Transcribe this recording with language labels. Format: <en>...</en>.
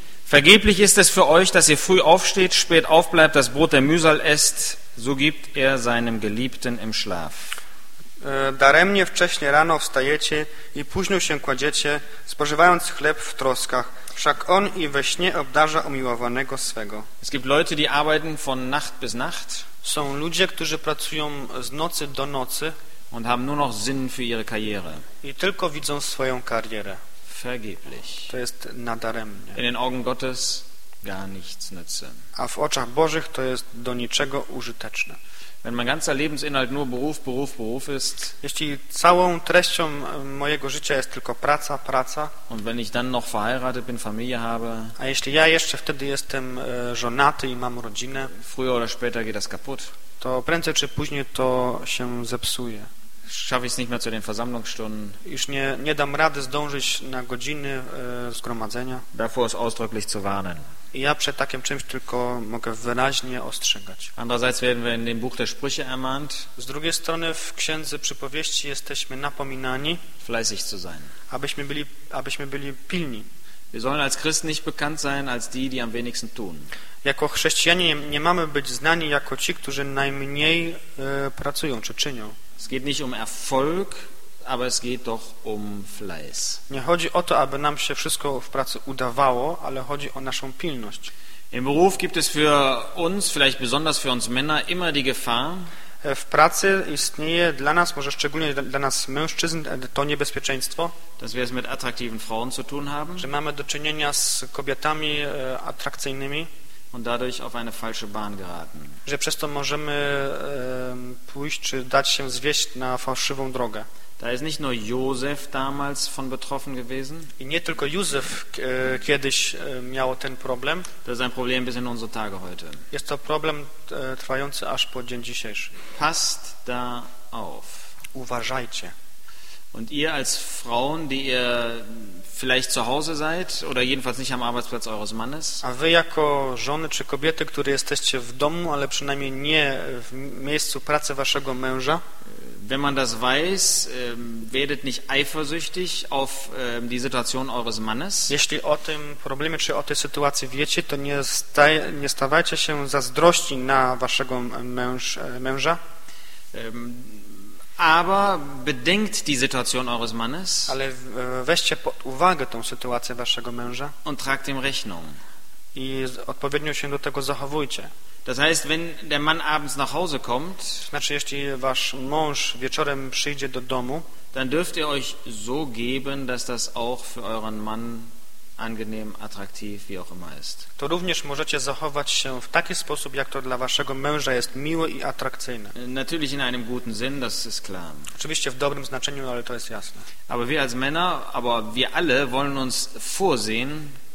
<de>Vergeblich ist es für euch, dass ihr früh aufsteht, spät aufbleibt, das Brot der Mühsal esst, so gibt er seinem Geliebten im Schlaf.</de> <pl>Daremnie wcześnie rano wstajecie i późno się kładziecie, spożywając chleb w troskach. Wszak on i we śnie obdarza umiłowanego swego.</pl> <de>Es gibt Leute, die arbeiten von Nacht bis Nacht.</de> <pl>Są ludzie, którzy pracują z nocy do nocy.</pl> <de>Und haben nur noch Sinn für ihre Karriere.</de> <pl>I tylko widzą swoją karierę.</pl> <de>Vergeblich.</de> <pl>To jest nadaremnie.</pl> <de>In den Augen Gottes gar nichts nütze.</de> <pl>A w oczach Bożych to jest do niczego użyteczne.</pl> <de>Wenn mein ganzer Lebensinhalt nur Beruf, Beruf, Beruf ist.</de> <pl>Jeśli całą treścią mojego życia jest tylko praca, praca.</pl> <de>Und wenn ich dann noch verheiratet bin, Familie habe.</de> <pl>A jeśli ja jeszcze wtedy jestem żonaty i mam rodzinę.</pl> <de>Früher oder später geht das kaputt.</de> <pl>To prędzej czy później to się zepsuje.</pl> <de>Schaffe ich es nicht mehr zu den Versammlungsstunden.</de> <pl>Już nie dam rady zdążyć na godziny zgromadzenia.</pl> <de>Davor ist ausdrücklich zu warnen.</de> <pl>I ja przed takim czymś tylko mogę wyraźnie ostrzegać.</pl> <de>Andererseits werden wir in dem Buch der Sprüche ermahnt.</de> <pl>Z drugiej strony w Księdze Przypowieści jesteśmy napominani,</pl> <de>fleißig zu sein.</de> <pl>Abyśmy byli pilni.</pl> <de>Wir sollen als Christen nicht bekannt sein als die, die am wenigsten tun.</de> <pl>Jako chrześcijanie nie mamy być znani jako ci, którzy najmniej pracują czy czynią.</pl> <de>Es geht nicht um Erfolg, aber es geht doch um Fleiß.</de> <pl>Nie chodzi o to, aby nam się wszystko w pracy udawało, ale chodzi o naszą pilność.</pl> <de>Im Beruf gibt es für uns, vielleicht besonders für uns Männer, immer die Gefahr.</de> <pl>W pracy istnieje dla nas, może szczególnie dla nas mężczyzn, to niebezpieczeństwo,</pl> <de>dass wir es mit attraktiven Frauen zu tun haben.</de> <pl>Że mamy do czynienia z kobietami atrakcyjnymi.</pl> <de>Und dadurch auf eine falsche Bahn geraten.</de> <pl>Że przez to możemy pójść czy dać się zwieść na fałszywą drogę.</pl> <de>Da ist nicht nur Josef damals von betroffen gewesen.</de> <pl>I nie tylko Józef kiedyś miał ten problem. To jest</pl> <de>ein Problem bis in unsere Tage heute.</de> <pl>Jest to problem trwający aż po dzień dzisiejszy.</pl> <de>Passt da auf.</de> <pl>Uważajcie.</pl> <de>Und ihr als Frauen, die ihr vielleicht zu Hause seid oder jedenfalls nicht am Arbeitsplatz eures Mannes.</de> <pl>A wy jako żony czy kobiety, które jesteście w domu, ale przynajmniej nie w miejscu pracy waszego męża.</pl> <de>Wenn man das weiß, werdet nicht eifersüchtig auf die Situation eures Mannes.</de> <pl>Jeśli o tym problemie czy o tej sytuacji wiecie, to nie stawajcie się zazdrości na waszego męża.</pl> <de>Aber bedenkt die Situation eures Mannes.</de> <pl>Ale weźcie pod uwagę tą sytuację waszego męża.</pl> <de>Und tragt ihm Rechnung.</de> <pl>I odpowiednio się do tego zachowujcie.</pl> <de>Das heißt, wenn der Mann abends nach Hause kommt,</de> <pl>znaczy, jeśli wasz mąż wieczorem przyjdzie do domu,</pl> <de>dann dürft ihr euch so geben, dass das auch für euren Mann angenehm, attraktiv, wie auch immer ist.</de> <pl>To również możecie zachować się w taki sposób, jak to dla waszego męża jest miłe i atrakcyjne.</pl> <de>Natürlich in einem guten Sinn, das ist klar.</de> <pl>Oczywiście w dobrym znaczeniu, ale to jest jasne.</pl> <de>Aber wir als Männer, aber wir alle wollen uns vorsehen.</de>